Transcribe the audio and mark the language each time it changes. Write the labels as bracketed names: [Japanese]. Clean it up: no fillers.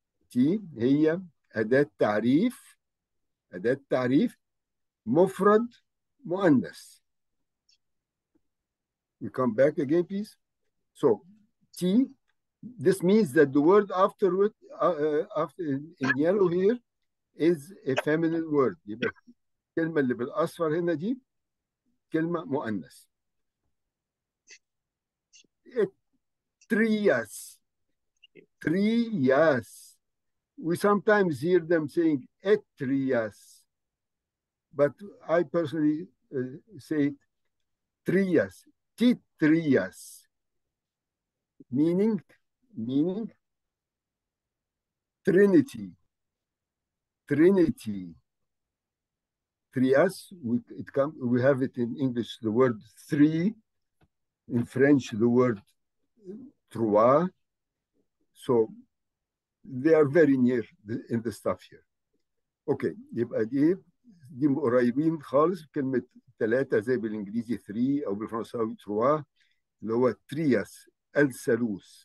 [Arabic] T هي أداة تعريف مفرد مؤنث. [English] We come back again, please. So, T, this means that the word after in yellow here is a feminine word. [Arabic] كلمة اللي بالأصفر هنا دي كلمة مؤنث. [English] Trias. Trias. We sometimes hear them saying etrias. But I personally say trias. Titrias, meaning Trinity. Trias, we have it in English, the word three. In French, the word trois. So they are very near in the stuff here. Okay, if I give, [Arabic] دي قريبين خالص كلمة ثلاثة زي بالإنجليزي ثري أو بالفرنساوي تروا اللي هو ترياس الثالوث.